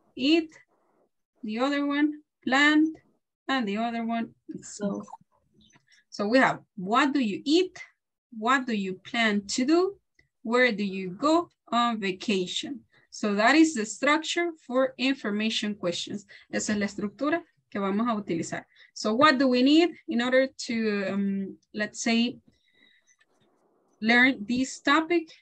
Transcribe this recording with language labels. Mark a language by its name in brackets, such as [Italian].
[English] Eat, the other one, plant, and the other one, so. So we have, what do you eat? What do you plan to do? Where do you go on vacation? So that is the structure for information questions. [Spanish] Esa es la estructura que vamos a utilizar. [English] So what do we need in order to, let's say, learn this topic?